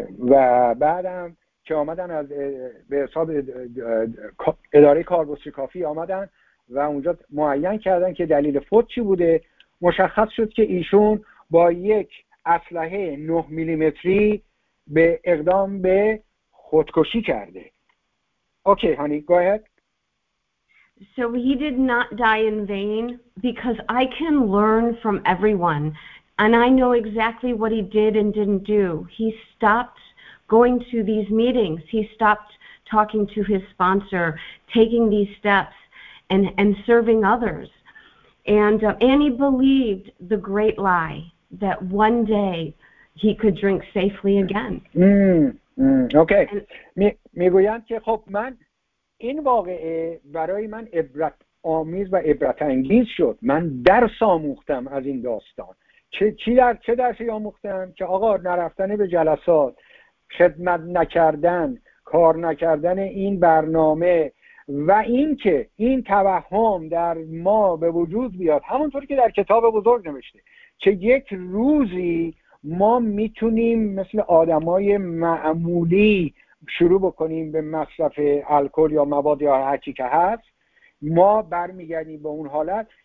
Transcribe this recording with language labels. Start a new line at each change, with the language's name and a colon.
Persian: و بعدم که آمدن از به حساب اداره کاربستی کافی آمدن و اونجا معین کردن که دلیل فوت چی بوده، مشخص شد که ایشون با یک اسلحه 9 میلیمتری به اقدام به خودکشی کرده.
English: Okay honey go ahead. So he did not die in vain because I can learn from everyone and I know exactly what he did and didn't do. He stopped going to these meetings, he stopped talking to his sponsor, taking these steps, and serving others. And he believed the great lie that one day he could drink safely again. Okay.
Persian: میگویند که خب من این واقعه برای من عبرت آمیز و عبرت انگیز شد. من درس آموختم از این داستان. چه درسی آموختم؟ که آقا نرفتن به جلسات، خدمت نکردن، کار نکردن این برنامه و این که این توهم در ما به وجود بیاد، همونطور که در کتاب بزرگ نوشته که یک روزی ما میتونیم مثل آدمای معمولی شروع بکنیم به مصرف الکل یا مواد یا هرچی که هست، ما برمیگردیم به اون حالت.